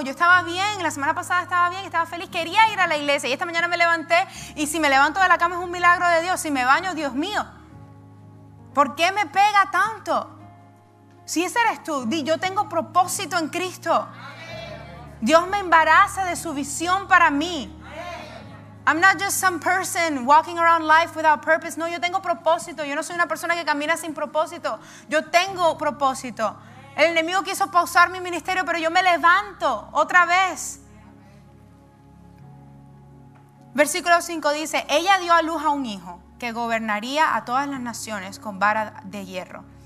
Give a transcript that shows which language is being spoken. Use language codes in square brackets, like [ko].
[es] Yo estaba bien, la semana pasada estaba bien, estaba feliz, quería ir a la iglesia y esta mañana me levanté y si me levanto de la cama es un milagro de Dios, si me baño, Dios mío. ¿Por qué me pega tanto? Si ese eres tú, di, yo tengo propósito en Cristo. Dios me embaraza de su visión para mí. [en] I'm not just some person walking around life without purpose. [es] No, yo tengo propósito. Yo no soy una persona que camina sin propósito. Yo tengo propósito. El enemigo quiso pausar mi ministerio, pero yo me levanto otra vez. Versículo 5 dice, ella dio a luz a un hijo que gobernaría a todas las naciones con vara de hierro.